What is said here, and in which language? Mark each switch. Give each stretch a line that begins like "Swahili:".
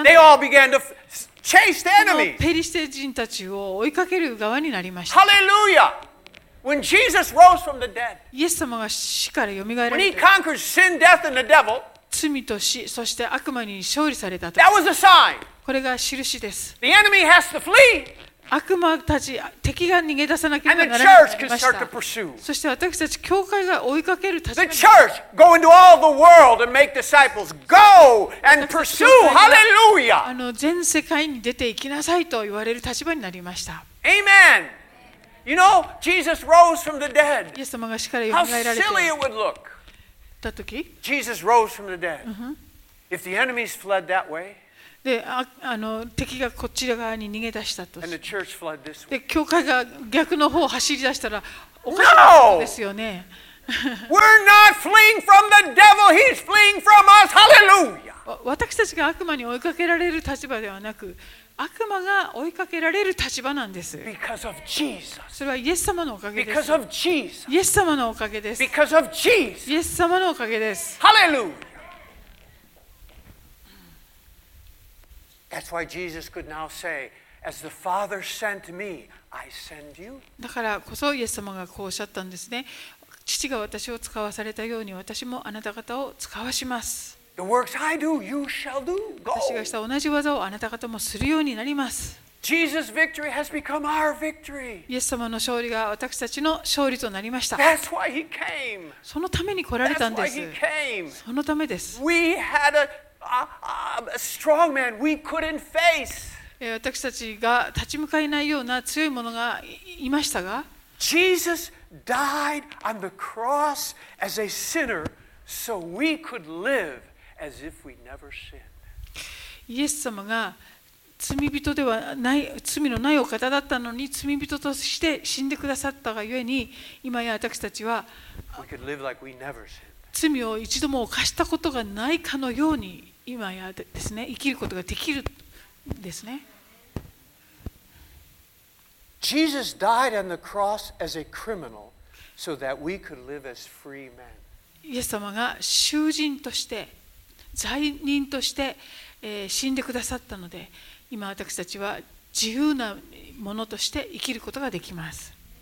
Japanese: ので、
English: they all began to chase the enemy.
Japanese: ペリシテ人たちを追いかける側になりました。
English: Hallelujah! When Jesus rose from the dead,
Japanese: イエス様が死から蘇られた、
English: when he conquered sin, death, and the devil,
Japanese: 罪と死、そして悪魔に勝利されたと、
English: that was a sign.
Japanese: これが印です。
English: The enemy has to flee.
Japanese: 悪魔たち、敵が逃げ出さなければならなくなりました。そして私たち教会が追いかける立場になります。全世界に出て行きなさいと言われる立場になりました。
English: アーメン。You know, Jesus rose from the dead.
Japanese: イエス様が死から蘇られた。
English: How silly it would look.
Japanese: だとき
English: Jesus rose from the dead. If the enemies fled that way,
Japanese: で、敵がこちら側に逃げ出したとして、で、教会が逆の方を走り出したらおかしいですよね。
English: We're not fleeing from the devil, he's fleeing from us. Hallelujah!
Japanese: 私たちが悪魔に追いかけられる立場ではなく、悪魔が追いかけられる立場なんです。
English: Because of Jesus.
Japanese: それはイエス様のおかげです。
English: Because of Jesus.
Japanese: イエス様のおかげです。
English: Because of Jesus.
Japanese: イエス様のおかげです。
English: Hallelujah! That's why Jesus could now say, "As the Father sent me, I send you."
Japanese: だからこそイエス様がこうおっしゃったんですね。父が私を使わされたように私もあなた方を使わします。
English: The works I do, you shall do. Go.
Japanese: 私がした同じ技をあなた方もするようになります。
English: Jesus' victory has become our victory.
Japanese: イエス様の勝利が私たちの勝利となりました。
English: That's why He came.
Japanese: そのために来られたんです。
English: That's why He came.
Japanese: そのためです。
English: We had a strong man we couldn't face.
Japanese: 私たちが立ち向かえないような強いものがいましたが、
English: Jesus died on the cross as a sinner so we could live as if we never sinned.
Japanese: イエス様が罪人ではない、罪のないお方だったのに罪人として死んでくださったがゆえに、今や私たちは
English: we could live like we never sinned.
Japanese: 罪を一度も犯したことがないかのように今やですね、生きることができるんですね。
English: Jesus died on the cross as a criminal so that we could live as free men.
Japanese: イエス様が囚人として、罪人として、死んでくださったので、今私たちは自由なものとして生きることができます。